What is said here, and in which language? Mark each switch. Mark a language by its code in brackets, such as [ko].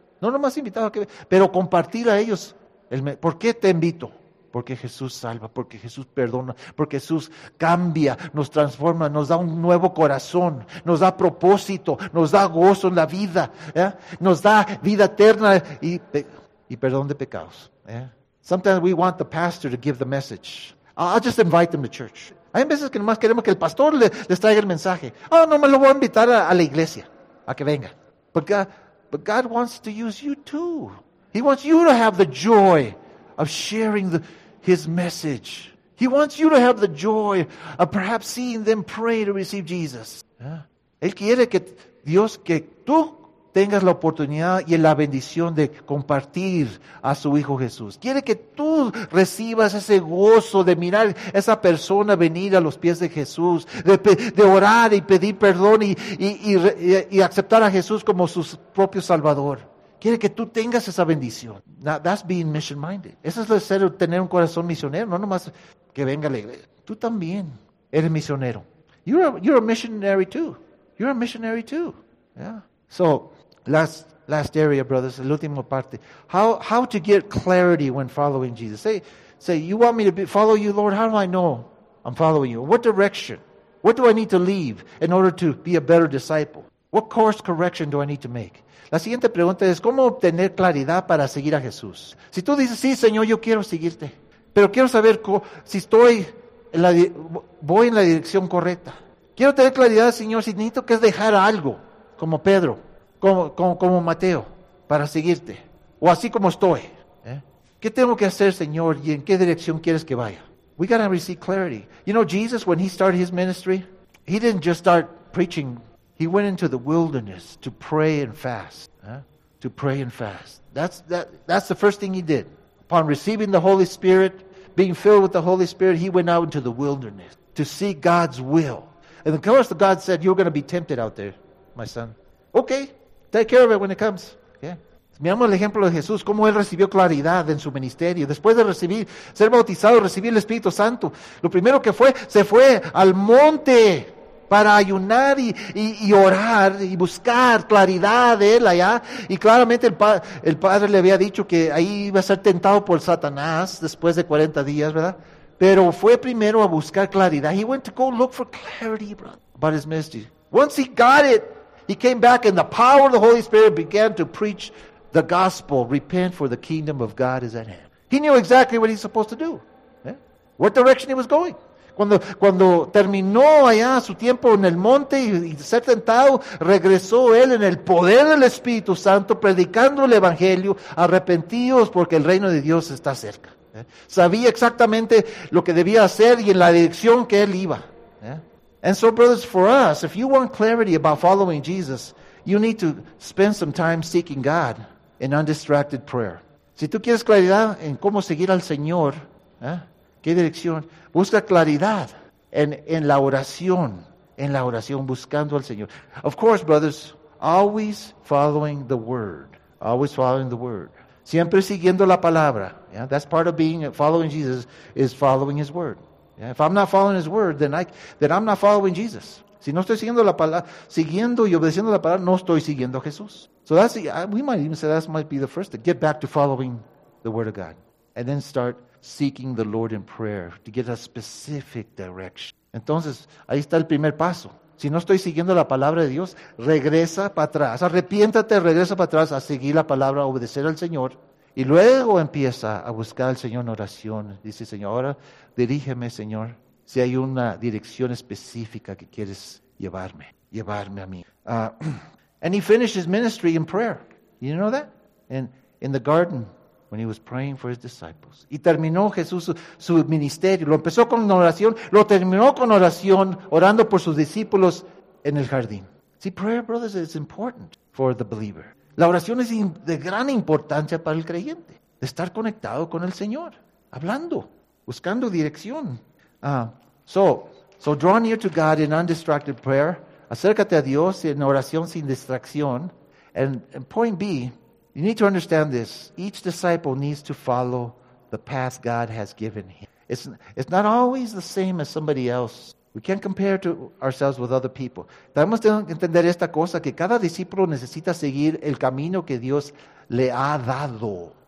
[es] No nomás invitar a que vengan. Pero compartir a ellos. ¿Por qué te invito? Porque Jesús salva, porque Jesús perdona, porque Jesús cambia, nos transforma, nos da un nuevo corazón, nos da propósito, nos da gozo en la vida, ¿eh? Nos da vida eterna y perdón de pecados. ¿Eh? [en] Sometimes we want the pastor to give the message. I'll just invite them to church. [es] Hay veces que nomás queremos que el pastor les traiga el mensaje. Oh, no me lo voy a invitar a la iglesia, a que venga. [en] But God wants to use you too. He wants you to have the joy of sharing his message. He wants you to have the joy of perhaps seeing them pray to receive Jesus. Yeah. [es] Él quiere que Dios, que tú tengas la oportunidad y la bendición de compartir a su Hijo Jesús. Quiere que tú recibas ese gozo de mirar esa persona venir a los pies de Jesús, de orar y pedir perdón y aceptar a Jesús como su propio Salvador. Quiere que tú tengas esa bendición. [en] Now, that's being mission-minded. [es] Eso es ser, tener un corazón misionero, no nomás que venga a la iglesia. Tú también eres misionero. [en] You're a missionary too. You're a missionary too. Yeah. So, last area, brothers, [es] la última parte. [en] How to get clarity when following Jesus. Say, you want me to follow you, Lord? How do I know I'm following you? What direction? What do I need to leave in order to be a better disciple? What course correction do I need to make? [es] La siguiente pregunta es, ¿cómo obtener claridad para seguir a Jesús? Si tú dices, sí, Señor, yo quiero seguirte, pero quiero saber si estoy voy en la dirección correcta. Quiero tener claridad, Señor, si necesito que dejar algo, como Pedro, como Mateo, para seguirte, o así como estoy. ¿Qué tengo que hacer, Señor, y en qué dirección quieres que vaya? [en] We got to receive clarity. You know, Jesus, when he started his ministry, he didn't just start preaching. He went into the wilderness to pray and fast. To pray and fast. That's the first thing he did. Upon receiving the Holy Spirit, being filled with the Holy Spirit, he went out into the wilderness to seek God's will. And of course, God said, you're going to be tempted out there, my son. Okay, take care of it when it comes. Yeah. [es] Miramos el ejemplo de Jesús, cómo él recibió claridad en su ministerio. Después de recibir, ser bautizado, recibir el Espíritu Santo, lo primero que fue, se fue al monte para ayunar y orar y buscar claridad de él allá. Y claramente el Padre le había dicho que ahí iba a ser tentado por Satanás después de 40 días, ¿verdad? Pero fue primero a buscar claridad. [en] He went to go look for clarity, bro, about his ministry. Once he got it, he came back and the power of the Holy Spirit began to preach the gospel. Repent, for the kingdom of God is at hand. He knew exactly what he's supposed to do. Yeah? What direction he was going. [es] Cuando terminó allá su tiempo en el monte y ser tentado, regresó él en el poder del Espíritu Santo, predicando el Evangelio, arrepentidos porque el reino de Dios está cerca. Sabía exactamente lo que debía hacer y en la dirección que él iba. [en] And so, brothers, for us, if you want clarity about following Jesus, you need to spend some time seeking God in undistracted prayer. [es] Si tú quieres claridad en cómo seguir al Señor, ¿qué dirección? Busca claridad en la oración, buscando al Señor. [en] Of course, brothers, always following the Word. Always following the Word. [es] Siempre siguiendo la palabra. [en] Yeah? That's part of being following Jesus, is following His Word. Yeah? If I'm not following His Word, then I'm not following Jesus. [es] Si no estoy siguiendo la palabra, siguiendo y obedeciendo la palabra, no estoy siguiendo a Jesús. [en] So that's we might even say that might be the first thing. Get back to following the Word of God. And then start seeking the Lord in prayer to get a specific direction. [es] Entonces, ahí está el primer paso. Si no estoy siguiendo la palabra de Dios, regresa para atrás. Arrepiéntate, regresa para atrás a seguir la palabra, a obedecer al Señor. Y luego empieza a buscar al Señor en oración. Dice, Señor, ahora dirígeme, Señor, si hay una dirección específica que quieres llevarme a mí. [en] And he finished his ministry in prayer. You know that? In the garden, when he was praying for his disciples. [es] Y terminó Jesús su ministerio. Lo empezó con oración, lo terminó con oración, orando por sus discípulos en el jardín. [en] See, prayer, brothers, is important for the believer. [es] La oración es de gran importancia para el creyente. De estar conectado con el Señor. Hablando, buscando dirección. [en] So draw near to God in undistracted prayer. [es] Acércate a Dios en oración sin distracción. [en] And point B, you need to understand this. Each disciple needs to follow the path God has given him. It's not always the same as somebody else. We can't compare to ourselves with other people. [es] Tenemos que entender esta cosa, que cada discípulo necesita seguir el camino que Dios le ha dado.